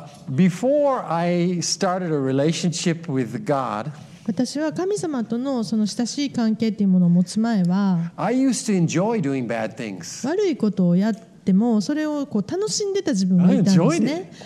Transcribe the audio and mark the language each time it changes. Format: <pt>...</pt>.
<en>before I started a relationship with God,</en> <ja>私は神様とのその親しい関係っていうものを持つ前は、</ja> <en>I used to enjoy doing bad things.</en> <ja>悪いことをやってでもそれをこう楽しんでた自分がいたんですね。</ja>